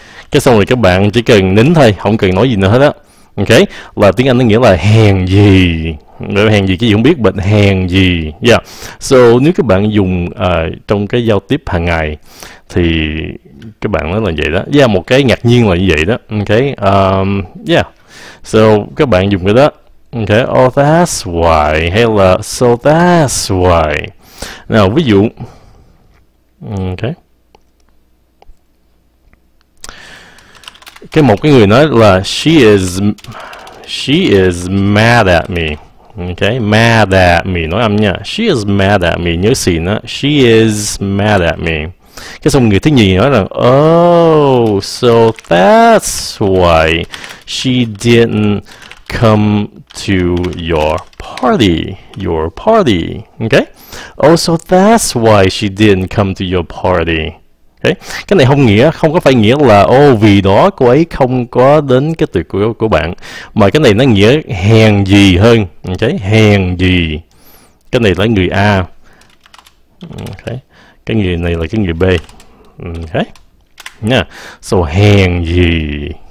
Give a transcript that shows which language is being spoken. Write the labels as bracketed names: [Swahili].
[Vietnamese] Cái xong rồi các bạn chỉ cần nín thôi, không cần nói gì nữa hết á. Okay, là tiếng Anh nó nghĩa là hèn gì. Bởi hèn gì cái gì không biết, bệnh hèn gì. Yeah, so nếu các bạn dùng trong cái giao tiếp hàng ngày thì các bạn nói là vậy đó. Yeah, một cái ngạc nhiên là như vậy đó. Okay, yeah, so các bạn dùng cái đó. [English] Okay, oh that's why, [Vietnamese] hay là [English] so that's why. [Vietnamese] Nào, ví dụ. Okay, cái một cái người nói là [English] she is mad at me. Okay, mad at me, [Vietnamese] nói âm nha. [English] She is mad at me, [Vietnamese] nhớ xịn á. [English] She is mad at me. [Vietnamese] Cái xong người thứ nhì nói là [English] oh, so that's why she didn't come to your party. Okay, oh, so that's why she didn't come to your party. [Vietnamese] Okay, cái này không nghĩa, không có phải nghĩa là oh, vì đó cô ấy không có đến cái tiệc của bạn, mà cái này nó nghĩa hèn gì hơn. Okay, hèn gì. Cái này là người A. Okay, cái người này là cái người B. Okay, nha. Yeah, so hèn gì.